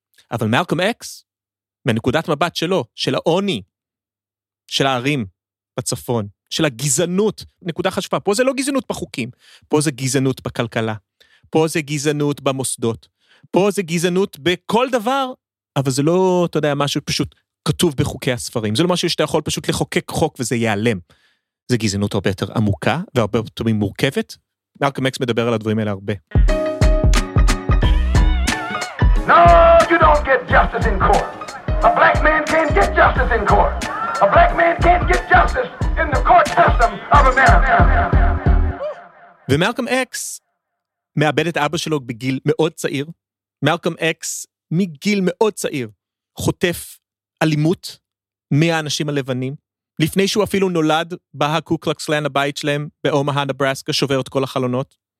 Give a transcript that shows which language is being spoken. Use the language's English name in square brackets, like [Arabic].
[Hebrew] אבל מלקום אקס, מנקודת מבט שלו, של העוני, של הערים בצפון, של הגזענות, נקודה חשובה, פה זה לא גזענות בחוקים, פה זה גזענות בכלכלה, פה זה גזענות במוסדות, פה זה גזענות בכל דבר, אבל זה לא, אתה יודע, משהו פשוט כתוב בחוקי הספרים. זה לא משהו שאתה יכול פשוט לחוקק חוק וזה ייעלם. זה גזענות הרבה יותר עמוקה, והרבה יותר מורכבת. מלקום אקס מדבר על הדברים האלה הרבה. [English] No, you don't get justice in court. A black man can't get justice in court. A black man can't get justice in the court system of America. [Hebrew] ומלקום אקס מאבד את אבא שלו בגיל מאוד צעיר. מלקום אקס מגיל מאוד צעיר חוטף אלימות מהאנשים הלבנים. לפני שהוא אפילו נולד בקוקלקסלן הבית שלהם, באומאה, נברסקה, שובר את כל החלונות.